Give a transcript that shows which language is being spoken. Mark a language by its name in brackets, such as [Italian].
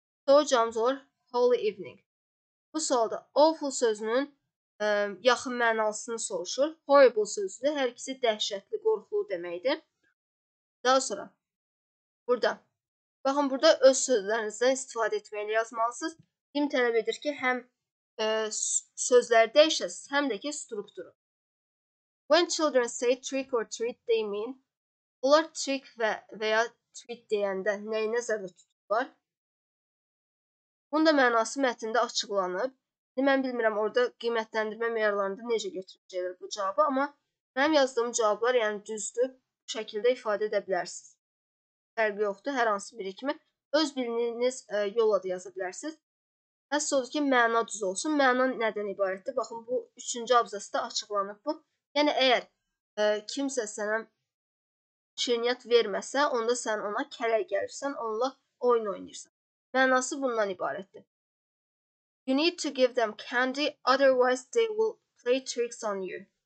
[Azerbaijani] Doğru cavabımız olur [English] Holy evening. [Azerbaijani] Bu sualda awful sözünün yaxın mənasını soruşur. Horrible sözüdür. Hər ikisi dəhşətli, qorxulu deməkdir. Daha sonra, burada. Baxın, burada öz sözlərinizdən istifadə etməklə yazmalısınız. Kim tələb edir ki, həm sözləri dəyişəsiniz, həm də ki, strukturu. [English] When children say trick or treat, they mean. [Azerbaijani] Onlar trick və ya treat deyəndə nəyi nəzərdə tuturlar? Bunda mənası mətnində açıqlanıb. Mən bilmirəm orada qiymətləndirmə meyarlarında necə götürəcəklər bu cavabı, amma mənim yazdığım cavablar, yəni düzdür, bu şəkildə ifadə edə bilərsiniz. Fərqi yoxdur, hər hansı biri kimi. Öz biliniz yolla da yaza bilərsiniz. Həssə olur ki, məna düz olsun. Məna nədən ibarətdir? Baxın, bu üçüncü abzasda açıqlanıb bu. Yəni, əgər kimsə sənə şirniyyat verməsə, onda sən ona kələk gəlirsən, onunla oyun oynayırsan. Mənası bundan ibarətdir. [English] You need to give them candy, otherwise they will play tricks on you.